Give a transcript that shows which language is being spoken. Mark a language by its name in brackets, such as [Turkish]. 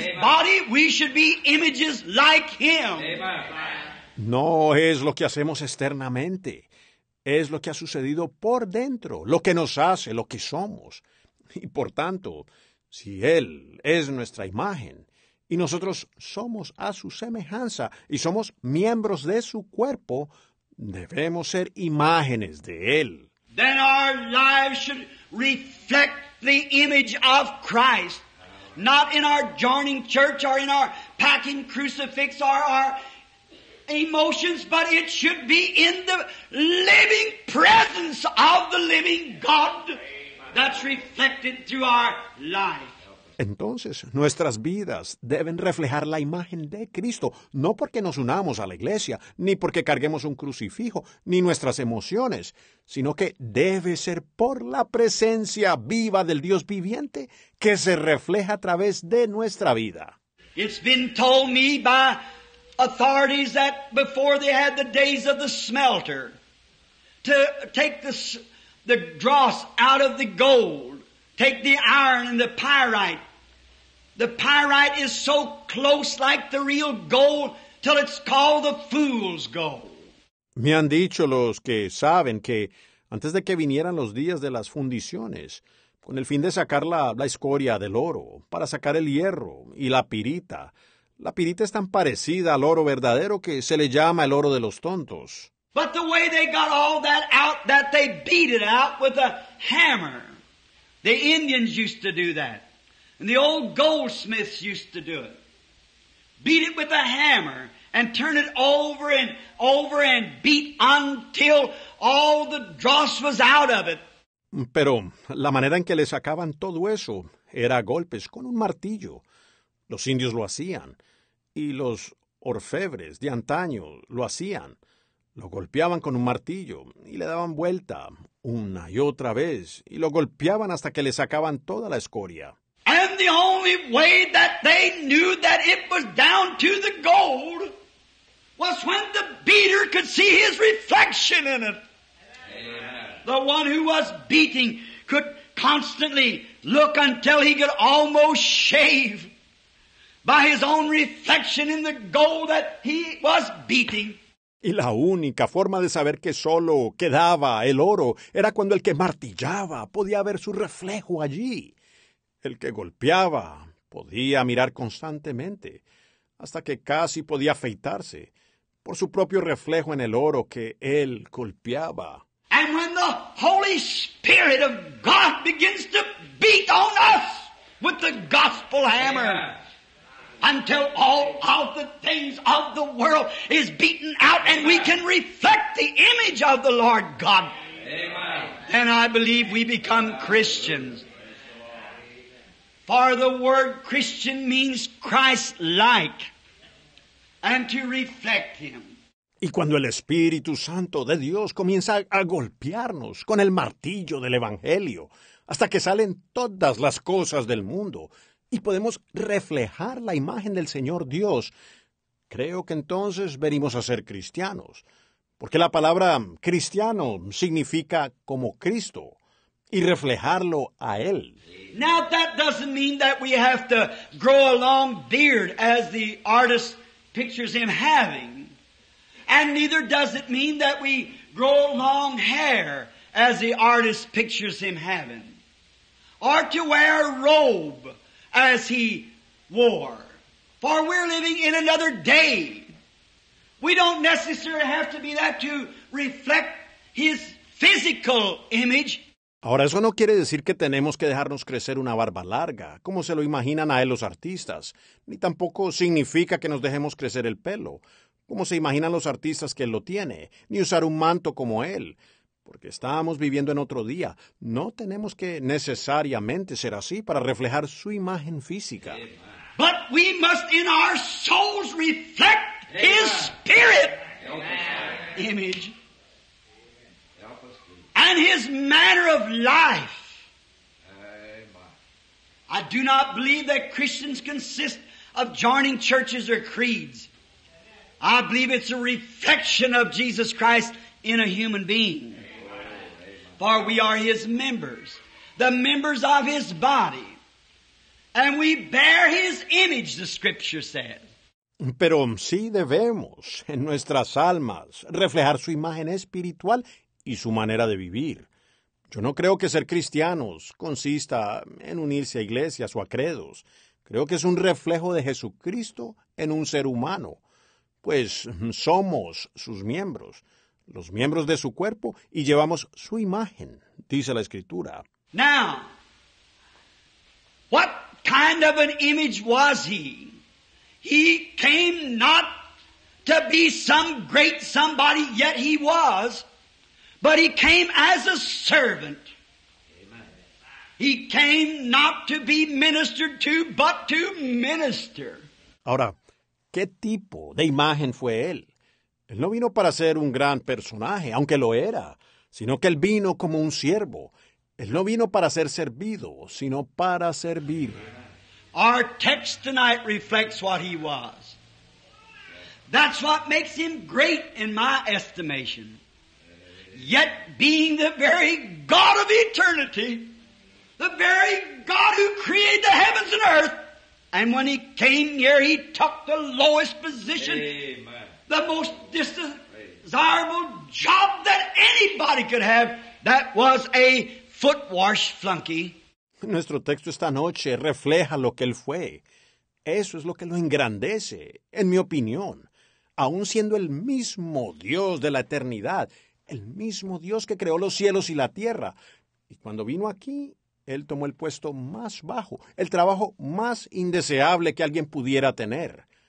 [English] Amen. Body, we should be images like Him. Amen. [Spanish] No es lo que hacemos externamente, es lo que ha sucedido por dentro, lo que nos hace, lo que somos. Y por tanto, si Él es nuestra imagen, y nosotros somos a su semejanza, y somos miembros de su cuerpo, debemos ser imágenes de Él. [English] Then our lives should reflect the image of Christ, not in our joining church, or in our packing crucifix, or our emotions, but it should be in the living presence of the living God. That's reflected through our life. [Spanish] Entonces, nuestras vidas deben reflejar la imagen de Cristo, no porque nos unamos a la iglesia, ni porque carguemos un crucifijo, ni nuestras emociones, sino que debe ser por la presencia viva del Dios viviente que se refleja a través de nuestra vida. [English] It's been told me by authorities that before they had the days of the smelter, to take the dross out of the gold, take the iron and the pyrite. The pyrite is so close like the real gold till it's called the fool's gold. [Spanish] Me han dicho los que saben que antes de que vinieran los días de las fundiciones, con el fin de sacar la escoria del oro, para sacar el hierro y la pirita es tan parecida al oro verdadero que se le llama el oro de los tontos. [English] But the way they got all that out, that they beat it out with a hammer. The Indians used to do that. And the old goldsmiths used to do it. Beat it with a hammer and turn it over and over and beat until all the dross was out of it. [Spanish] Pero la manera en que le sacaban todo eso era golpes con un martillo. Los indios lo hacían. Y los orfebres de antaño lo hacían. Lo golpeaban con un martillo y le daban vuelta una y otra vez y lo golpeaban hasta que le sacaban toda la escoria. [English] And the only way that they knew that it was down to the gold was when the beater could see his reflection in it. Amen. The one who was beating could constantly look until he could almost shave by his own reflection in the gold that he was beating. [Spanish] Y la única forma de saber que solo quedaba el oro era cuando el que martillaba podía ver su reflejo allí. El que golpeaba podía mirar constantemente, hasta que casi podía afeitarse por su propio reflejo en el oro que él golpeaba. [English] And when the Holy Spirit of God begins to beat on us with the gospel hammer, until all of the things of the world is beaten out and we can reflect the image of the Lord God, then I believe we become Christians. For the word Christian means Christ-like, and to reflect Him. [Spanish] Y cuando el Espíritu Santo de Dios comienza a golpearnos con el martillo del Evangelio, hasta que salen todas las cosas del mundo y podemos reflejar la imagen del Señor Dios, creo que entonces venimos a ser cristianos. Porque la palabra cristiano significa como Cristo y reflejarlo a Él. [English] Now that doesn't mean that we have to grow a long beard as the artist pictures him having. And neither does it mean that we grow long hair as the artist pictures him having, or to wear a robe as he wore. For we're living in another day. We don't necessarily have to be that to reflect his physical image. [Spanish] Ahora, eso no quiere decir que tenemos que dejarnos crecer una barba larga, como se lo imaginan a él los artistas, ni tampoco significa que nos dejemos crecer el pelo, como se imaginan los artistas que él lo tiene, ni usar un manto como él, porque estamos viviendo en otro día. No tenemos que necesariamente ser así para reflejar su imagen física. [English] But we must in our souls reflect his spirit image and his manner of life. I do not believe that Christians consist of joining churches or creeds. I believe it's a reflection of Jesus Christ in a human being. For we are His members, the members of His body. And we bear His image, the Scripture says. [Spanish] Pero sí debemos, en nuestras almas, reflejar su imagen espiritual y su manera de vivir. Yo no creo que ser cristianos consista en unirse a iglesias o a credos. Creo que es un reflejo de Jesucristo en un ser humano. Pues somos sus miembros, los miembros de su cuerpo, y llevamos su imagen, dice la Escritura. [English] Now, what kind of an image was he? He came not to be some great somebody, yet he was, but he came as a servant. Amen. He came not to be ministered to, but to minister. [Spanish] Ahora, ¿qué tipo de imagen fue él? Él no vino para ser un gran personaje, aunque lo era, sino que él vino como un siervo. Él no vino para ser servido, sino para servir. [English] Our text tonight reflects what he was. That's what makes him great in my estimation. Yet being the very God of eternity, the very God who created the heavens and earth, and when he came near, he took the lowest position, Amen. The most desirable job that anybody could have, that was a foot wash flunky. [Spanish] Nuestro texto esta noche refleja lo que él fue. Eso es lo que lo engrandece, en mi opinión. Aun siendo el mismo Dios de la eternidad, el mismo Dios que creó los cielos y la tierra. Y cuando vino aquí, él tomó el puesto más bajo, el trabajo más indeseable que alguien pudiera tener.